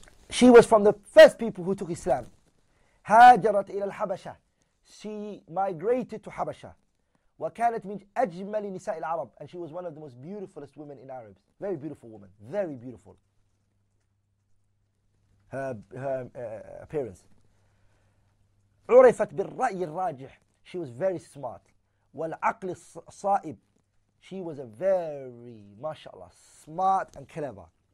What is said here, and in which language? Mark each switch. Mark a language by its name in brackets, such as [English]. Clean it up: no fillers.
[English] She was from the first people who took Islam. [Arabic] هاجرت إلى الحبشة. [English] She migrated to Habasha. [Arabic] وكانت من أجمل نساء العرب. [English] And she was one of the most beautifulest women in Arabs. Very beautiful woman. Very beautiful. Her appearance. [Arabic] عرفت بالرأي الراجح. [English] She was very smart. [Arabic] والعقل الصائب. [English] She was a very, mashallah, smart and clever.